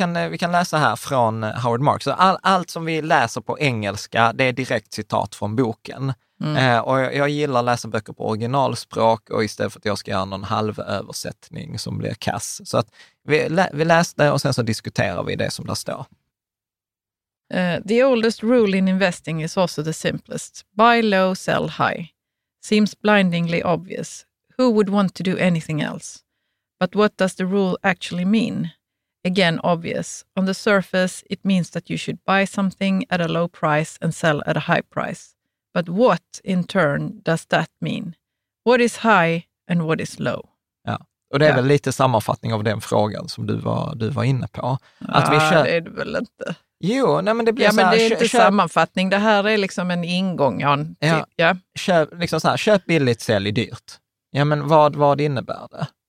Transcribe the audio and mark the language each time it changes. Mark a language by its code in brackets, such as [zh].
[sv] Vi kan läsa här från Howard Marks. Allt som vi läser på engelska, det är direkt citat från boken. Mm. Och jag gillar att läsa böcker på originalspråk, och istället för att jag ska göra någon halvöversättning som blir kass. Så att vi läser det, och sen så diskuterar vi det som där står. [en] The oldest rule in investing is also the simplest. Buy low, sell high. Seems blindingly obvious. Who would want to do anything else? But what does the rule actually mean? Again, obvious. On the surface, it means that you should buy something at a low price and sell at a high price. But what, in turn, does that mean? What is high and what is low? [sv] Och det är väl lite sammanfattning av den frågan som du var inne på. Att vi kör... det är det väl inte. Jo, nej, men det blir ja, så här, men det är inte sammanfattning. Det här är liksom en ingång. Ja. Köp billigt, sälj dyrt. Ja, men vad innebär det?